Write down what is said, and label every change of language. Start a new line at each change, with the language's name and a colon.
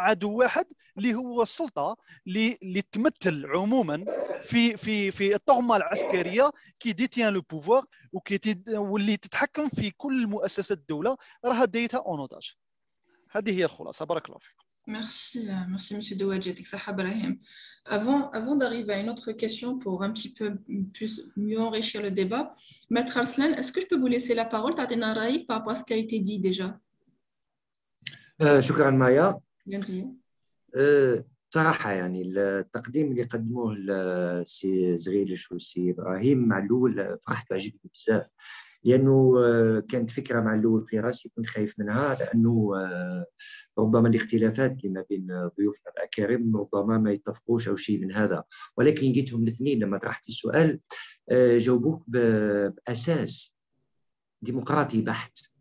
Arabic: واحد اللي هو السلطة اللي تمثل عموما في الطغمة العسكرية كي ديتيان لو بوفوار واللي تتحكم في كل مؤسسات الدولة راه ديتها اونوتاج هذه هي الخلاصة بارك الله فيكم
French: Merci, Monsieur Dewadji, Sahab Rahim. Avant d'arriver à une autre question pour un petit peu plus mieux enrichir le débat, Maître Arslan, est-ce que je peux vous laisser la parole, Tadena Raï, par rapport à ce qui a été dit déjà
Arabic: Shukran Maya.
French: Merci.
Arabic: صراحة يعني التقديم اللي قدموه السي زغيل الشوسي إبراهيم معلول فرحت بعجبني بزاف لأنه كانت فكرة معلول في راسي كنت خايف منها لأنه ربما الاختلافات لما بين ضيوفنا الأكارم ربما ما يتفقوش أو شيء من هذا ولكن لقيتهم الاثنين لما طرحت السؤال جاوبوك بأساس ديمقراطي بحت